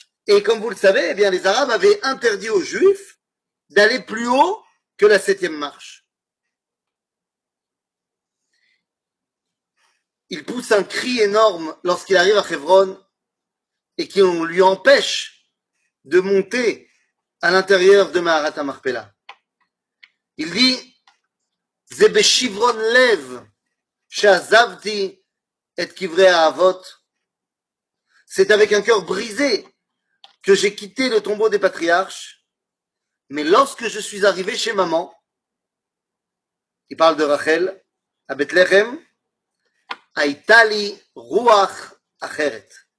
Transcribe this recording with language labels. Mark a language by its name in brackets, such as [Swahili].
[French] Et comme vous le savez, eh bien, les Arabes avaient interdit aux Juifs d'aller plus haut que la 7e marche. Il pousse un cri énorme lorsqu'il arrive à Hebron et qu'on lui empêche de monter à l'intérieur de Maharat Amarpela. Il dit... [Hebrew] זה בשברון לב שעזבתי את קברי האבות. [French] C'est avec un cœur brisé que j'ai quitté le tombeau des patriarches. Mais lorsque je suis arrivé chez maman, il parle de Rachel, à Bethléem, [Hebrew] הייתה לי רוח אחרת.